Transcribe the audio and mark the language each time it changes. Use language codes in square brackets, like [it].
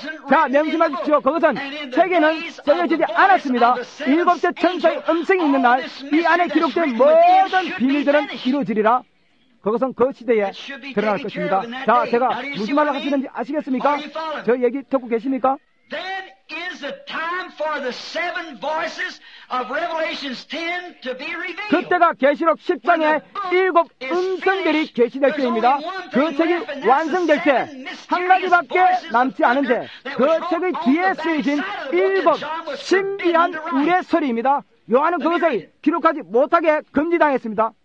[ko] 자, 명심하십시오. 그것은 책에는 쓰여지지 않았습니다. 일곱째 천사의 음성이 있는 날 이 안에 기록된 모든 비밀들은 이루어지리라. 그것은 그 시대에 드러날 것입니다. 자, 제가 무슨 말을 하시는지 아시겠습니까? 저 얘기 듣고 계십니까? [en] That is the time for the seven voices of Revelation 10 to be revealed. [ko] 그때가 계시록 10장의 일곱 음성들이 계시될 때입니다. 그 책이 완성될 때 한 가지밖에 남지 않은데 그 책의 뒤에 쓰여진 일곱 신비한 우레 소리입니다. 요한은 그것을 기록하지 못하게 금지당했습니다.